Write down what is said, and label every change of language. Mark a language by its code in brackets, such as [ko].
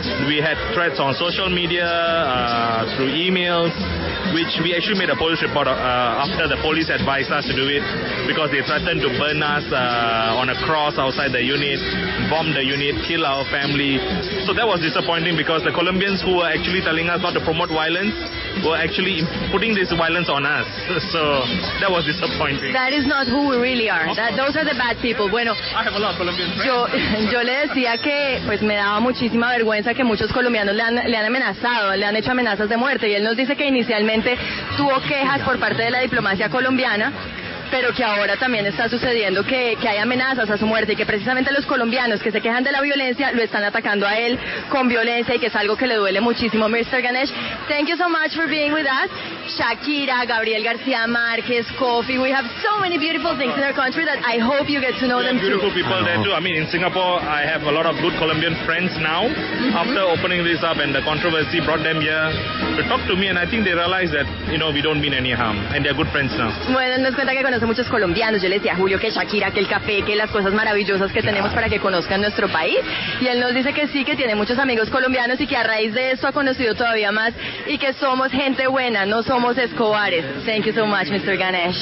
[en] We had threats on social media, through emails, which we actually made a police report after the police advised us to do it, because they threatened to burn us on a cross outside the unit, bomb the unit, kill our family. So that was disappointing, because the Colombians, who were actually telling us not to promote violence, were actually putting this violence on us. So that was disappointing. That is not who we really are. Those are the bad people. [es] Bueno, yo le decía que pues me daba muchísima vergüenza que muchos colombianos le han amenazado, le han hecho amenazas de muerte, y él nos dice que inicialmente tuvo quejas por parte de la diplomacia colombiana, pero que ahora también está sucediendo que hay amenazas a su muerte, y que precisamente los colombianos que se quejan de la violencia lo están atacando a él con violencia, y que es algo que le duele muchísimo. [en] Mr. Ganesh, thank you so much for being with us. Shakira, Gabriel García Márquez, Kofi, we have so many beautiful things in our country that I hope you get to know them too. Beautiful people there too. I mean, in Singapore, I have a lot of good Colombian friends now. Mm-hmm. After opening this up and the controversy brought them here to talk to me, and I think they realize that, you know, we don't mean any harm, and they're good friends now. [es] Bueno, nos cuenta que conoce muchos colombianos. Yo le decía a Julio que Shakira, que el café, que las cosas maravillosas que tenemos para que conozcan nuestro país, y él nos dice que sí, que tiene muchos amigos colombianos y que a raíz de eso ha conocido todavía más, y que somos gente buena, no somos Escobares. [en] Thank you so much, Mr. Ganesh.